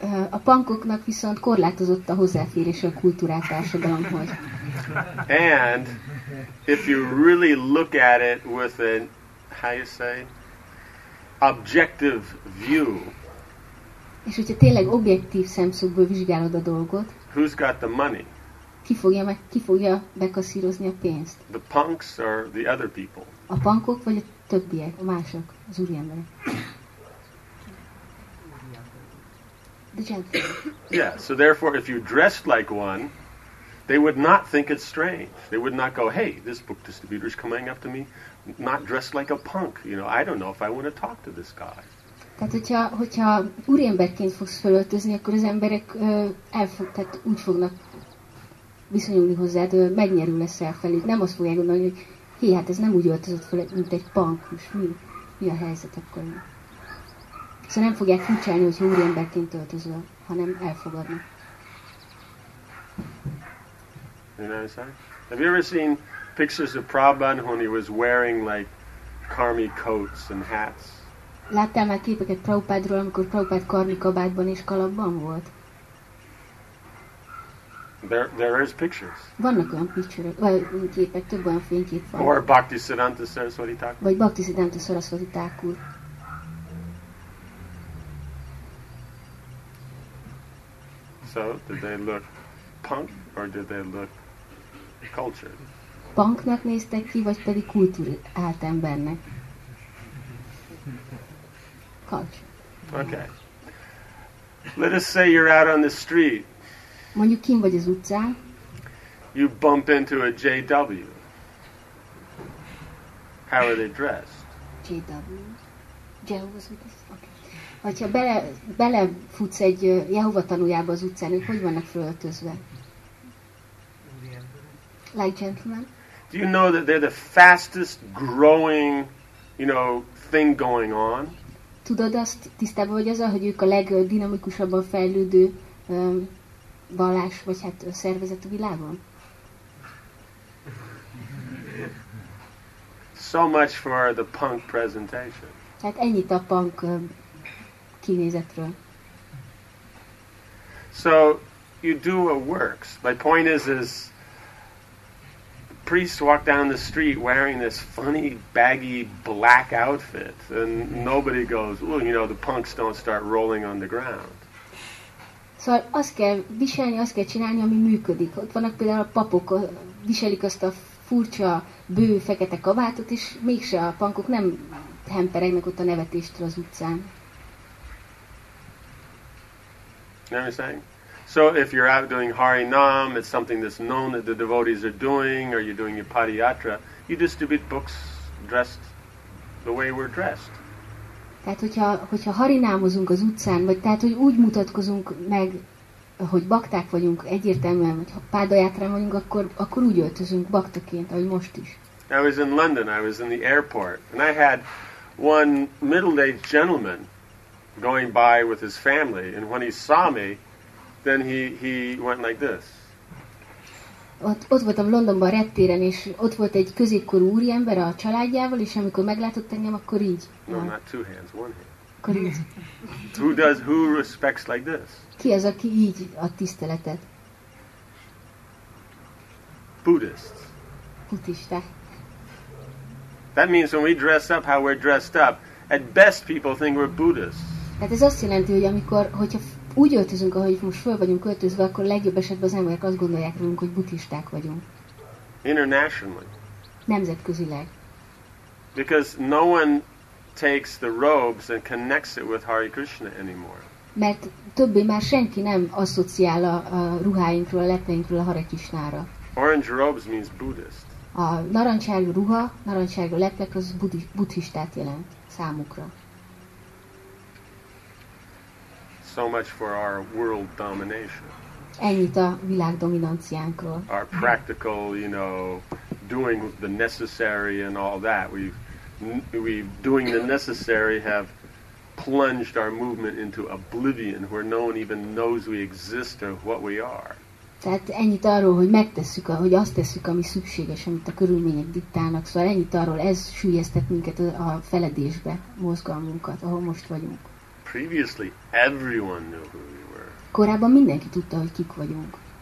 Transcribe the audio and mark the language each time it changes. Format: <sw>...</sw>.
<hu>A punkoknak viszont korlátozott a hozzáférés a kultúrát társadalomhoz.</hu> <en>And if you really look at it with an, how you say, objective view.</en> <hu>És hogyha tényleg objektív szemszögből vizsgálod a dolgot,</hu> <en>who's got the money?</en> <hu>Ki fogja bekasszírozni a pénzt?</hu> <en>The punks or the other people?</en> <hu>A punkok vagy a többiek, a mások, az úriemberek?</hu> <en>The gentleman. Yeah, so therefore if you dressed like one, they would not think it's strange. They would not go, hey, this book distributor is coming up to me not dressed like a punk. You know, I don't know if I want to talk to this guy.</en> <hu>Tehát, hogyha úriemberként fogsz felöltözni, akkor az emberek tehát úgy fognak viszonyulni hozzád, megnyerő leszel felé. Nem azt fogják gondolni, hogy hé, hát ez nem úgy öltözött fel, mint egy punk, most mi a helyzet akkor? Szóval nem fogják kicsálni, hogyha úriemberként öltözöl, hanem elfogadni.</hu> <en>Have you ever seen pictures of Prabhupada when he was wearing like karmi coats and hats?</en> <hu>Láttál már képeket Prabhupádról, amikor Prabhupád karmi kabátban és kalapban volt?</hu> <en>There is pictures.</en> <hu>Vannak olyan picture-ek, vagy képek, több olyan fénykép van.</hu> <en>Or Bhaktisiddhanta Saraswati Thakur.</en> <hu>Vagy Bhaktisiddhanta Saraswati Thakur.</hu> <en>So, did they look punk, or did they look cultured?</en> <hu>Punknak néztek ki, vagy pedig kultúrált embernek?</hu> <en>Culture. Okay. Let us say you're out on the street.</en> <hu>Mondjuk kim vagy az utcán.</hu> <en>You bump into a JW. How are they dressed? JW. Okay.</en> <hu>Hogyha belefutsz egy Jehova tanújába az utcán, ők hogy vannak felöltözve?</hu> <en>Like gentlemen. Do you know that they're the fastest growing, you know, thing going on?</en> <hu>Tudod azt, tisztában vagy azzal, hogy ők a legdinamikusabban fejlődő vallás, vagy hát szervezet a világon?</hu> <en>So much for the punk presentation.</en> <hu>Tehát ennyit a punk kinézetről.</hu> <en>So, you do what works. My point is priests walk down the street wearing this funny baggy black outfit and nobody goes, well, you know, the punks don't start rolling on the ground.</en> <hu>Szóval azt kell viselni, azt kell csinálni, ami működik. Ott vannak például a papok, viselik azt a furcsa, bő, fekete kabátot, és mégse a punkok nem hemperegnek ott a nevetéstől az utcán. Nem is saying?</hu> <en>So if you're out doing Hari Nam, it's something that's known that the devotees are doing, or you're doing your Padyatra, you distribute books dressed the way we're dressed.</en> <hu>Tehát hogyha harinámozunk az utcán, vagy tehát hogy úgy mutatkozunk meg, hogy bakták vagyunk egyértelműen, vagy ha pádajátrán vagyunk, akkor úgy öltözünk baktaként, ahogy most is.</hu> <en>I was in London, I was in the airport, and I had one middle-aged gentleman going by with his family, and when he saw me, then he went like this.</en> <hu>Ott voltam Londonban reptéren, és ott volt egy középkorú úriember a családjával, és amikor meglátott engem, akkor így.</hu> <en>No, not two hands, one hand.</en> <hu>Akkor így.</hu> <en>Who respects like this?</en> <hu>Ki az, aki így ad tiszteletet?</hu> <en>Buddhists.</en> <hu>Buddhista.</hu> <en>That means when we dress up how we're dressed up, at best people think we're Buddhists.</en> <hu>Tehát ez azt jelenti, hogy hogyha úgy öltözünk, ahogy most föl vagyunk öltözve, akkor legjobb esetben az emberek azt gondolják rólunk, hogy buddhisták vagyunk.</hu> <en>Internationally.</en> <hu>Nemzetközileg.</hu> <en>Because no one takes the robes and connects it with Hare Krishna anymore.</en> <hu>Mert többé már senki nem asszociál a ruháinkról, a lepeinkről a Hare Krishnára.</hu> <en>Orange robes means Buddhist.</en> <hu>A narancsárga ruha, narancsárga leplek, az buddhistát jelent számukra.</hu> <en>So much for our world domination.</en> <hu>Ennyit a világ dominanciánkról.</hu> <en>Our practical, you know, doing the necessary and all that. We've doing the necessary have plunged our movement into oblivion where no one even knows we exist or what we are.</en> <hu>Tehát ennyit arról, hogy megtesszük, hogy azt tesszük, ami szükséges, amit a körülmények diktálnak. Szóval ennyit arról, ez süllyesztett minket a feledésbe, mozgalmunkat, ahol most vagyunk.</hu> <en>Previously everyone knew who we were.</en> <hu>Korábban mindenki tudta, hogy kik vagyunk.</hu>